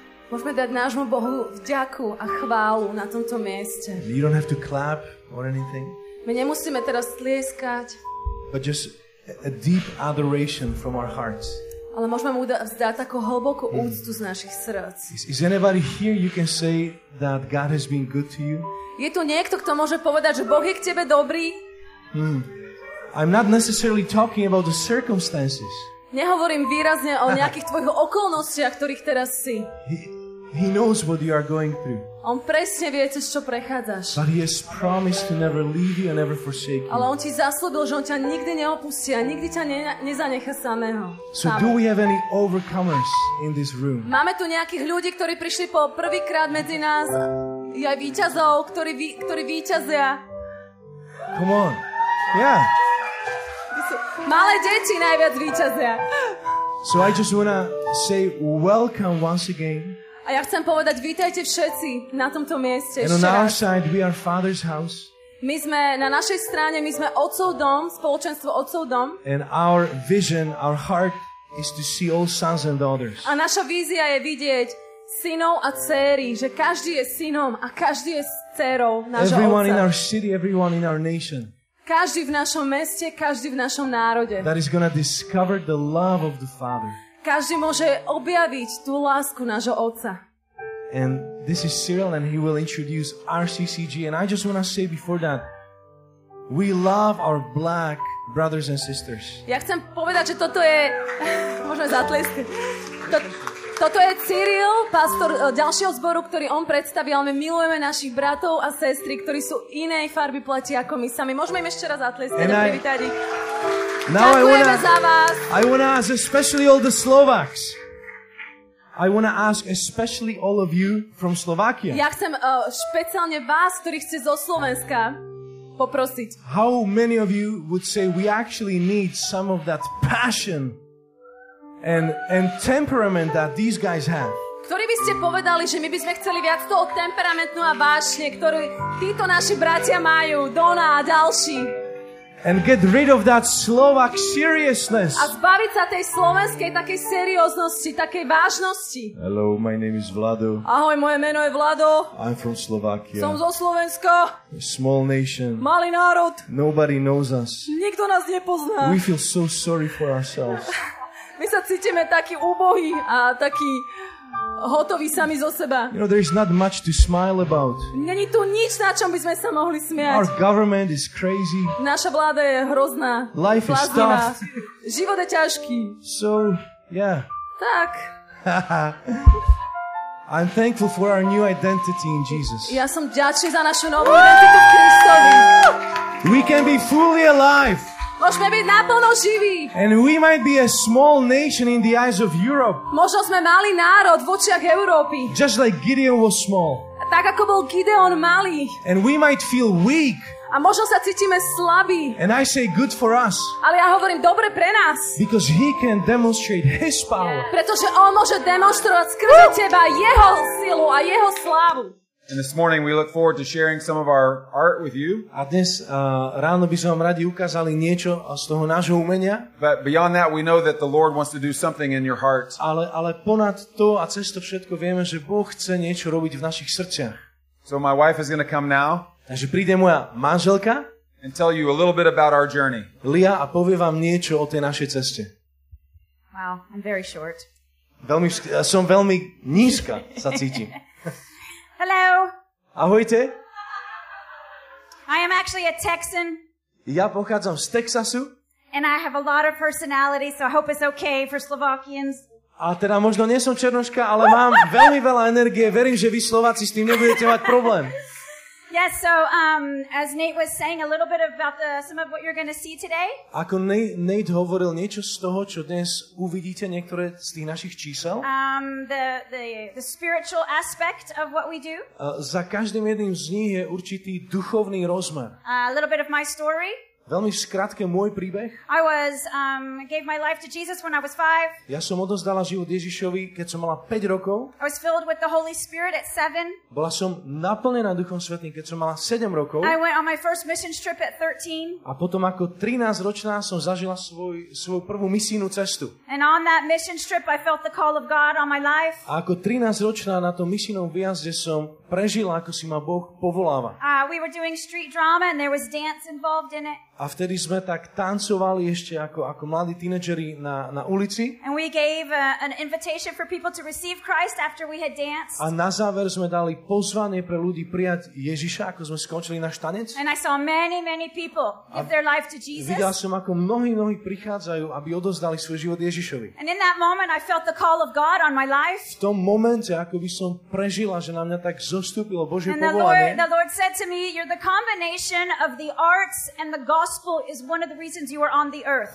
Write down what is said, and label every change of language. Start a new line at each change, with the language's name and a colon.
Slovak: Môžeme dať nášmu Bohu vďaku a chválu na tomto mieste.
English: You don't have to clap or anything.
Slovak: My nemusíme teraz tlieskať.
English: But just a deep adoration from our hearts.
Slovak: Ale môžeme mu vzdať takú hlbokú úctu z našich srdc.
English: Is anybody here you can say that God has been good to you?
Slovak: Je tu niekto, kto môže povedať, že Boh je k tebe dobrý?
English: I'm not necessarily talking about the circumstances.
Slovak: Nehovorím výrazne o nejakých tvojich okolnostiach, ktorých teraz si.
English: He knows what you are going through.
Slovak: On presne vie, cez čo prechádzaš.
English: But he has promised to never leave you and never forsake you.
Slovak: Ale on ti zasľúbil, že on ťa nikdy neopustí a nikdy ťa nezanechá samého.
English: So do we have any overcomers in this room?
Slovak: Máme tu nejakých ľudí, ktorí prišli po prvýkrát medzi nás. Aj víťazov, ktorí víťazia.
English: Come on. Yeah.
Slovak: Malé deti najviac víťazia.
English: So I just wanna say welcome once again.
Slovak: A ja chcem povedať, vítajte všetci na tomto mieste.
English: And on our side, we are Father's house.
Slovak: My sme na našej strane, my sme Otcov dom, spoločenstvo Otcov dom.
English: And our vision, our heart is to see all sons and daughters.
Slovak: A naša vízia je vidieť synov a dcery, že každý je synom a každý je dcerou nášho
English: Everyone in our city, everyone in our nation.
Slovak: Každý v našom meste, každý v našom národe.
English: That is going to discover the love of the Father.
Slovak: Každý môže objaviť tú lásku nášho Otca.
English: And this is Cyril and he will introduce RCCG. And I just want to say before that, we love our black brothers and sisters.
Slovak: Ja chcem povedať, že toto je... Môžeme zatlieskať. Toto je Cyril, pastor ďalšieho zboru, ktorý on predstaví, ale my milujeme našich bratov a sestry, ktorí sú inej farby pleti ako my sami. Môžeme im ešte raz zatlieskať a privítať ich. Ďakujeme za vás.
English: I want to ask especially all the Slovaks. I want to ask especially all of you from Slovakia.
Slovak: Ja chcem špeciálne vás, ktorí ste zo Slovenska, poprosiť.
English: How many of you would say we actually need some of that passion and temperament that these guys have?
Slovak: Ktorí by ste povedali, že my by sme chceli viac toho temperamentu a vášne, ktorú títo naši bratia majú, Dona a ďalší.
English: And get rid of that Slovak seriousness.
Slovak: A zbaviť sa tej slovenskej takej serióznosti, takej vážnosti.
English: Hello, my name is Vlado.
Slovak: Ahoj, moje meno je Vlado.
English: I'm from Slovakia.
Slovak: Som zo Slovenska.
English: A small nation.
Slovak: Malý národ.
English: Nobody knows us.
Slovak: Nikto nás nepozná.
English: We feel so sorry for ourselves.
Slovak: My sa cítime taký úbohý a taký hotový sami zo seba.
English: You know, there is not much to smile about.
Slovak: Není tu nič, na čom by sme sa mohli smiať.
English: Our government is crazy.
Slovak: Naša vláda je hrozná.
English: Life
Slovak: vláznivá.
English: Is tough.
Slovak: Život je ťažký.
English: So, yeah.
Slovak: Tak.
English: I'm thankful for our new identity in Jesus.
Slovak: Ja som ďačný za našu novú identitu v Kristovi.
English: We can be fully alive.
Slovak: Môžeme byť naplno živí.
English: And we might be a small nation in the eyes of Europe.
Slovak: Možno sme malý národ v očiach Európy.
English: Just like Gideon was small.
Slovak: Tak ako bol Gideon malý.
English: And we might feel weak.
Slovak: A možno sa cítime slabí.
English: And I say good for us.
Slovak: Ale ja hovorím dobre pre nás.
English: Because he can demonstrate his power. Yeah.
Slovak: Pretože on môže demonstrovať skrze teba jeho silu a jeho slávu.
English: And this morning we look forward to sharing some of our art with you.
Slovak: A dnes ráno by sme vám radi ukázali niečo z toho nášho umenia.
English: But beyond that we know that the Lord wants to do something in your heart.
Slovak: Ale ponad to a cez to všetko vieme, že Boh chce niečo robiť v našich srdciach.
English: So my wife is going to come now.
Slovak: Takže príde moja manželka.
English: And tell you a little bit about our journey.
Slovak: Lia, a povie vám niečo o tej našej ceste.
English: Wow, I'm very short.
Slovak: Som veľmi nízka, sa cítim.
English: Hello.
Slovak: Ahojte.
English: I am actually a Texan.
Slovak: Ja pochádzam z Texasu.
English: And I have a lot of personality, so I hope it's okay for Slovakians.
Slovak: A teda možno nie som černoška, ale mám veľmi veľa energie. Verím, že vy Slováci s tým nebudete mať problém.
English: Yes, so as Nate was saying a little bit about some of what you're going to see today.
Slovak: Ako Nate hovoril niečo z toho, čo dnes uvidíte, niektoré z tých našich čísel.
English: The spiritual aspect of what we do.
Slovak: Za každým jedným z nich je určitý duchovný rozmer.
English: A little bit of my story.
Slovak: Veľmi skrátke môj príbeh.
English: I was gave my life to Jesus when I was 5.
Slovak: Ja som odovzdala život Ježišovi, keď som mala 5 rokov.
English: I was filled with the Holy Spirit at 7.
Slovak: Bola som naplnená Duchom Svätým, keď som mala 7 rokov.
English: I went on my first mission trip at 13.
Slovak: A potom ako 13 ročná som zažila svoju prvú misijnú cestu.
English: And on that mission trip I felt the call of God on my life.
Slovak: A ako 13 ročná na tom misijnom výjazde som prežila, ako si ma Boh povoláva.
English: We were doing street drama and there was dance involved in it.
Slovak: A vtedy sme tak tancovali ešte ako mladí tínedžeri na ulici.
English: And we gave an invitation for people to receive Christ after we had danced.
Slovak: A na záver sme dali pozvanie pre ľudí prijať Ježiša, ako sme skončili náš tanec.
English: And I saw many people give their life to Jesus.
Slovak: Videl som, ako mnohí prichádzajú, aby odovzdali svoj život Ježišovi.
English: And in that moment I felt the call of God on my life.
Slovak: V tom momente, ako by som prežila, že na mňa tak zostúpilo Božie povolanie.
English: And the Lord said to me, you're the combination of the arts and the God. Gospel is one of the reasons you are on the earth.